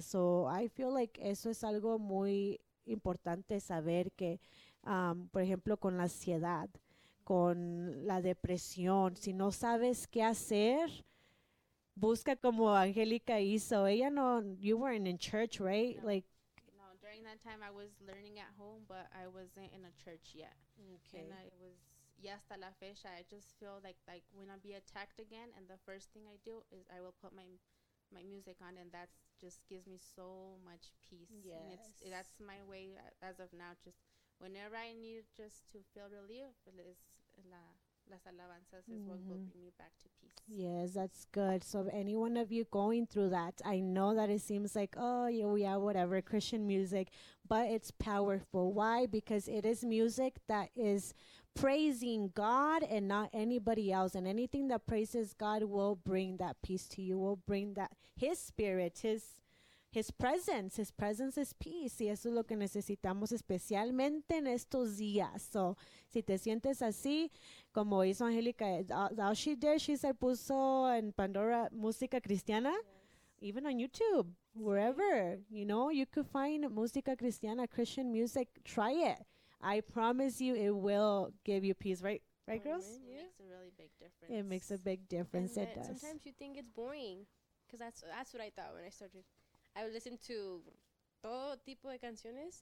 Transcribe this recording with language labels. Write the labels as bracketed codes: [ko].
[en] So I feel like [es] eso es algo muy importante saber que, por ejemplo, con la ansiedad, con la depresión, si no sabes qué hacer, busca como Angélica hizo. Ella no, [en] you weren't in church, right? No. Like, no, during that time I was learning at home, but I wasn't in a church yet. Okay. And I was, [es] y hasta la fecha, [en] I just feel like when I be attacked again, and the first thing I do is I will put my music on, and that just gives me so much peace. Yes. And that's my way as of now. Just whenever I need just to feel relief, it's la. [es] Las alabanzas [en] is what will bring me back to peace. Yes, that's good. So if any one of you going through that, I know that it seems like, oh, yeah, whatever, Christian music, but it's powerful. Why? Because it is music that is praising God and not anybody else. And anything that praises God will bring that peace to you, will bring that His spirit, His presence. His presence is peace. [es] Y eso es lo que necesitamos especialmente en estos días. So si te sientes así, como hizo Angélica, [en] all she did, she said, [es] puso en Pandora música cristiana, [en] yes. Even on YouTube, wherever, you know, you could find [es] música cristiana, [en] Christian music, try it. I promise you it will give you peace, right? Right, girls? Yeah. It makes a really big difference. It makes a big difference. And it does. Sometimes you think it's boring. Because that's what I thought when I started. I would listen to [es] todo tipo de canciones.